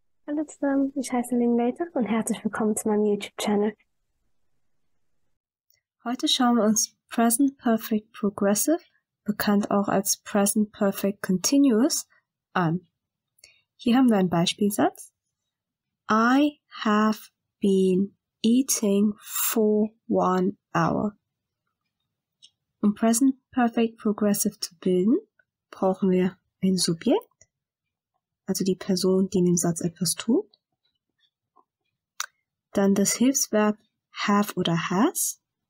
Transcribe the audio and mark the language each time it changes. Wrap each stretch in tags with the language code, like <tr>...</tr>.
<de>Hallo zusammen, ich heiße Ling Leiter und herzlich willkommen zu meinem YouTube-Channel. Heute schauen wir uns Present Perfect Progressive, bekannt auch als Present Perfect Continuous, an. Hier haben wir einen Beispielsatz.</de> <en>I have been eating for 1 hour.</en> <de>Um Present Perfect Progressive zu bilden, brauchen wir ein Subjekt, also die Person, die in dem Satz etwas tut. Dann das Hilfsverb have oder has.</de>